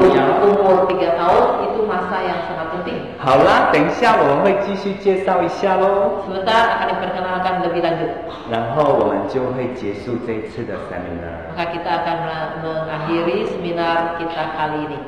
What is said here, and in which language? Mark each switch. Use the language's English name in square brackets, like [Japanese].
[Indonesian] Sebelum umur 3 tahun itu masa yang sangat penting. [Chinese] 好啦，等一下我们会继续介绍一下喽。 [Indonesian] Sebentar akan diperkenalkan lebih lanjut. [Chinese] 然后我们就会结束这一次的 seminar. [Indonesian] Maka kita akan mengakhiri seminar kita kali ini.